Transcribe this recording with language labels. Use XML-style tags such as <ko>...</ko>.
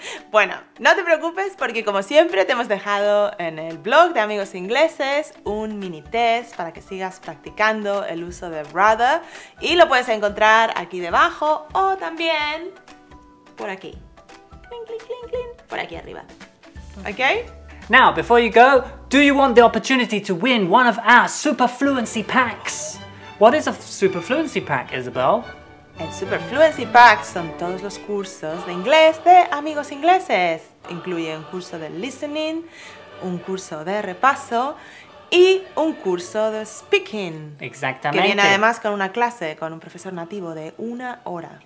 <es>Bueno, no te preocupes porque como siempre te hemos dejado en el blog de Amigos Ingleses un mini test para que sigas practicando el uso de rather y lo puedes encontrar aquí debajo o también por aquí. Cling, cling, cling, cling. Por aquí arriba. Okay?</es> <en>Now, before you go, do you want the opportunity to win one of our super fluency packs? What is a super fluency pack, Isabel?</en> <es>El super fluency pack son todos los cursos de inglés de Amigos Ingleses. Incluye un curso de listening, un curso de repaso y un curso de speaking. Exactamente. Que viene además con una clase con un profesor nativo de una hora.</es>